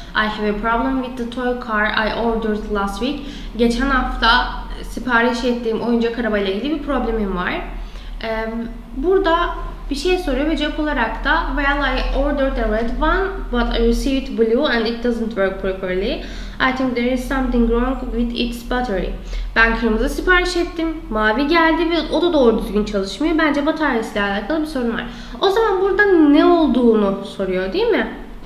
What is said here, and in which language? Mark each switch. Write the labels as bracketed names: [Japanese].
[English] I have a problem with the toy car I ordered last week. [Turkish] Geçen hafta sipariş ettiğim oyuncak arabayla ilgili bir problemim var. Burada bir şey soruyor ve cevap olarak da [English] well I ordered a red one but I received blue and it doesn't work properly. I think there is something wrong with its battery. [Turkish] Ben kırmızı sipariş ettim. Mavi geldi ve o da doğru düzgün çalışmıyor. Bence bataryasıyla alakalı bir sorun var. O zaman burada ne olduğunu soruyor değil mi?